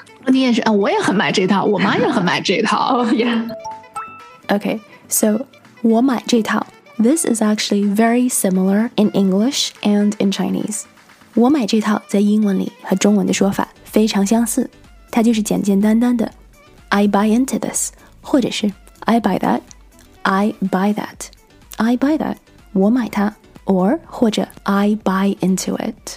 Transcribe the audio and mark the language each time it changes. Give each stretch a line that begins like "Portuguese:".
Chinese: 你也是，我也很买这套，我妈也很买这套。
English: Oh, yeah.
Chinese: Okay, so 我买这套。
English: This is actually very similar in English and in Chinese.
Chinese: 我买这套在英文里和中文的说法非常相似，它就是简简单单的
English: I buy into this，
Chinese: 或者是
English: I buy that， I buy that， I buy that，
Chinese: 我买它。
English: Or,
Chinese: 或者
English: I buy into it.